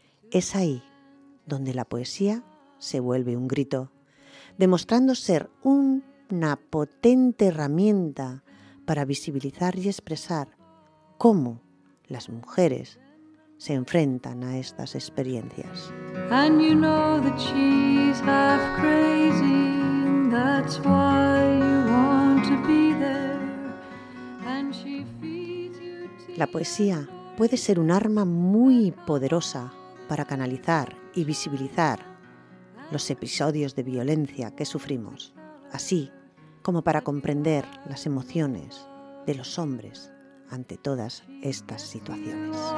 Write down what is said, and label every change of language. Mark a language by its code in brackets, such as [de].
[es] Es ahí donde la poesía se vuelve un grito, demostrando ser una potente herramienta para visibilizar y expresar cómo las mujeres se enfrentan a estas experiencias. [en] And you know that she's half crazy, that's why you want to be there. And she feeds you tea. [es] La poesía puede ser un arma muy poderosa para canalizar y visibilizar los episodios de violencia que sufrimos, así como para comprender las emociones de los hombres ante todas estas situaciones.